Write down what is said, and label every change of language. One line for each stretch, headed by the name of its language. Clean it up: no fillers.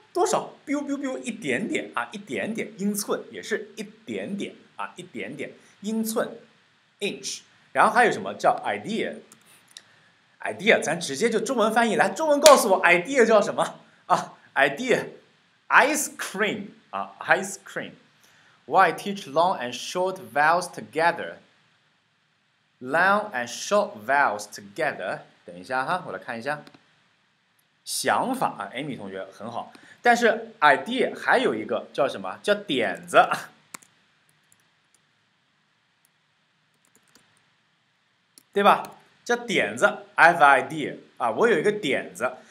Chinese: 多少？biu biu biu 一点点啊，一点点，英寸也是一点点啊，一点点，英寸 inch。然后还有什么叫 idea？idea 咱直接就中文翻译来，中文告诉我 idea 叫什么啊？idea ice cream
English: ice cream. Why teach long and short vowels together? Long and short vowels together.
Chinese: 等一下哈，我来看一下。想法啊 ，Amy 同学很好，但是 idea 还有一个叫什么？叫点子。对吧？叫点子 ，
English: I have idea
Chinese: 啊，我有一个点子。